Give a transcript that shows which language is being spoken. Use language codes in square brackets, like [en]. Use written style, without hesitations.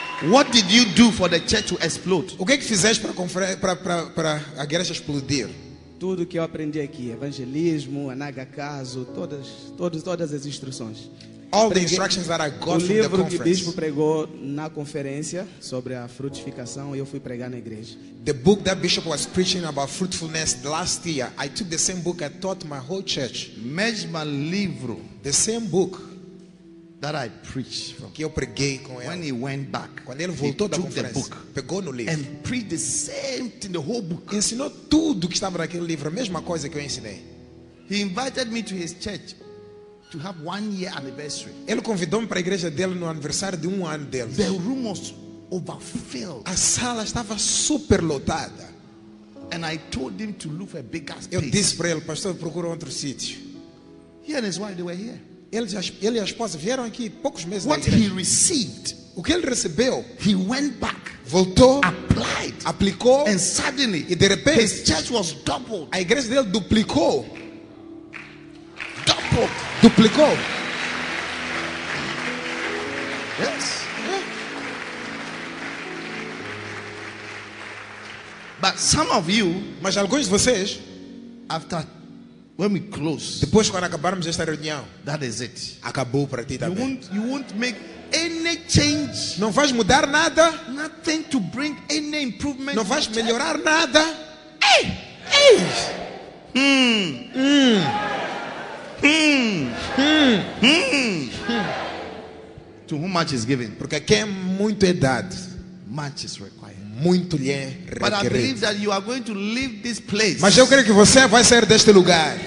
[en] What did you do for the church to explode? [pt] O que é que fizeste para para a igreja explodir? Tudo que eu aprendi aqui, evangelismo, anaga caso, todas as instruções. [en] All the instructions that I got from the conference. [pt] O livro que o bispo pregou na conferência sobre a frutificação e eu fui pregar na igreja. [en] The book that bishop was preaching about fruitfulness last year, I took the same book and taught my whole church. [pt] Mesmo livro, [en] the same book that I preach from. [pt] Que eu preguei com ele. [en] When he went back, [pt] quando ele voltou [en] he took [pt] da conferência, [en] the book, [pt] pegou no livro, [en] and preached the same thing, the whole book. [pt] Ensinou tudo que estava naquele livro, a mesma coisa que eu ensinei. [en] He invited me to his church to have 1 year anniversary. [pt] Ele convidou-me para a igreja dele no aniversário de 1 ano dele. [en] The room was overfilled. [pt] A sala estava superlotada. [en] And I told him to look for a bigger space. [pt] Eu disse para ele, pastor, procura outro sítio. [en] He and his wife, they were here. [pt] Ele e a esposa vieram aqui poucos meses. [en] What he received, [pt] o que ele recebeu, [en] he went back, [pt] voltou, [en] applied, [pt] aplicou, [en] and suddenly, [pt] e de repente, [en] his church was doubled. [pt] A igreja dele duplicou. [en] Doubled. [pt] Duplicou. [en] Yes. But some of you, [pt] mas alguns de vocês, [en] after when we close, [pt] depois quando acabarmos esta reunião, [en] that is it. [pt] Acabou para ti também. [en] You won't make any change. [pt] Não vais mudar nada. [en] Nothing to bring any improvement. [pt] Não vais melhorar nada. Ei! Ei! [en] To whom much is given? [pt] Porque quem muito é dado, [en] much is required. [pt] Muito lhe é requerido. [en] But I believe that you are going to leave this place. [pt] Mas eu creio que você vai sair deste lugar.